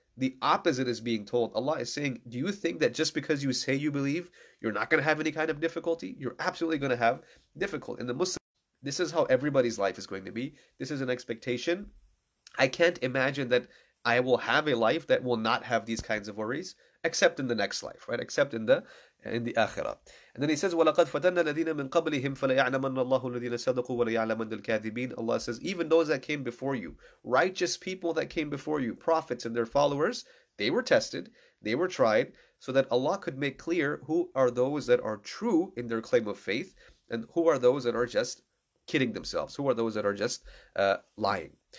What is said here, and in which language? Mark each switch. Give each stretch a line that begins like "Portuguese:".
English: The opposite is being told. Allah is saying, do you think that just because you say you believe, you're not going to have any kind of difficulty? You're absolutely going to have difficulty. In the Muslim, this is how everybody's life is going to be. This is an expectation. I can't imagine that I will have a life that will not have these kinds of worries, except in the next life, right? Except in the akhirah.
Arabic: And then he says, وَلَقَدْ فَتَنَّ الَّذِينَ مِنْ قَبْلِهِمْ فَلَيَعْلَمَنَّ اللَّهُ الَّذِينَ صَدَقُوا وَلَيَعْلَمَنَّ الْكَاذِبِينَ.
English: Allah says, even those that came before you, righteous people that came before you, prophets and their followers, they were tested, they were tried, so that Allah could make clear who are those that are true in their claim of faith, and who are those that are just kidding themselves, who are those that are just lying.